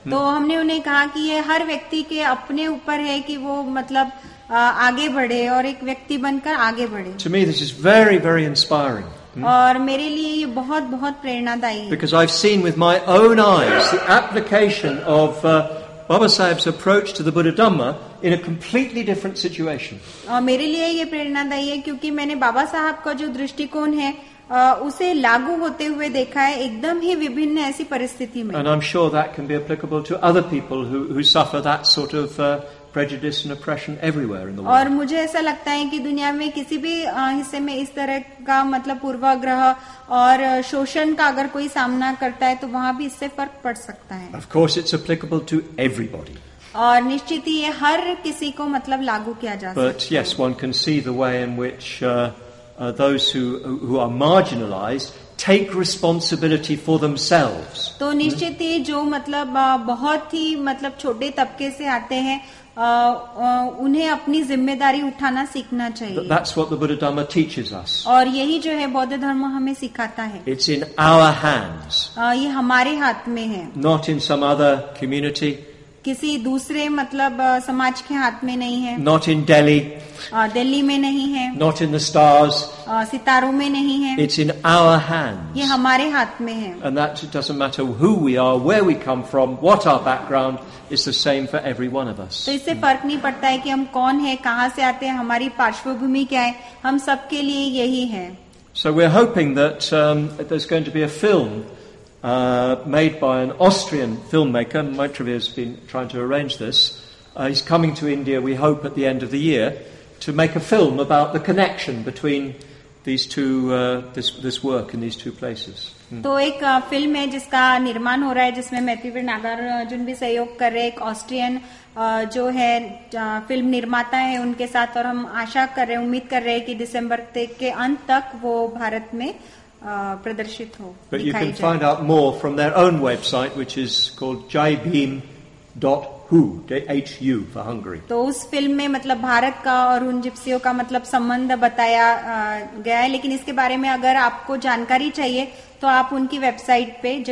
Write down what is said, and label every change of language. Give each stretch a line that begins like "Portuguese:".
Hindi: तो हमने उन्हें कहा कि ये हर व्यक्ति के अपने ऊपर है कि वो मतलब आगे बढ़े और एक व्यक्ति बनकर आगे बढ़े
English: To me, this is very, very inspiring.
Hindi: और मेरे लिए ये बहुत बहुत प्रेरणादायी है
English: Because I've seen with my own eyes the application of Baba Sahib's approach to the Buddha Dhamma in a completely different situation.
Hindi: मेरे लिए ये प्रेरणादायी है क्योंकि मैंने बाबा साहब का जो दृष्टिकोण है उसे लागू होते हुए देखा है एकदम ही विभिन्न ऐसी परिस्थिति में
English: And I'm sure that can be applicable to other people who suffer that sort of prejudice and oppression everywhere in the world.
Hindi: और मुझे ऐसा लगता है कि दुनिया में किसी भी हिस्से में इस तरह का मतलब पूर्वाग्रह और शोषण का अगर कोई सामना करता है तो वहाँ भी इससे फर्क पड़ सकता है
English: Of course, it's applicable to everybody.
Hindi: और निश्चित ही ये हर किसी को मतलब लागू किया जा सकता
English: But yes, one can see the way in which those who are marginalized take responsibility for themselves.
Hindi: तो निश्चित ही जो मतलब बहुत ही मतलब छोटे तबके से आते हैं उन्हें अपनी जिम्मेदारी उठाना सीखना चाहिए
English: That's what the Buddha Dhamma teaches us.
Hindi: और यही जो है बौद्ध धर्म हमें सिखाता है
English: It's in our hands.
Hindi: ये हमारे हाथ में है
English: Not in some other community.
Hindi: किसी दूसरे मतलब समाज के हाथ में नहीं है
English: Not in Delhi.
Hindi: दिल्ली में नहीं है
English: Not in the stars.
Hindi: सितारों में नहीं है
English: It's in our hands.
Hindi: ये हमारे हाथ में है
English: And that it doesn't matter who we are, where we come from, what our background, it's the same for every one of us.
Hindi: तो इससे फर्क नहीं पड़ता है कि हम कौन है कहाँ से आते हैं हमारी पार्श्वभूमि क्या है हम सबके लिए यही है
English: So we're hoping that there's going to be a film made by an Austrian filmmaker. Maitrevi has been trying to arrange this. He's coming to India, we hope, at the end of the year. to make a film about the connection between these two this work in these two places.
Hindi: तो एक film है जिसका निर्माण हो रहा है जिसमें मैतीवीर नागार्जुन भी सहयोग कर रहे एक ऑस्ट्रियन जो है फिल्म निर्माता है उनके साथ और हम आशा कर रहे हैं उम्मीद कर रहे हैं कि दिसंबर तक के अंत तक वो भारत में प्रदर्शित हो
English: But you can find out more from their own website which is called jaibheem.hu H-U for Hungary
Hindi: तो उस फिल्म में मतलब भारत का और उन जिप्सियों का मतलब संबंध बताया गया है लेकिन इसके बारे में अगर आपको जानकारी चाहिए तो आप उनकी वेबसाइट पे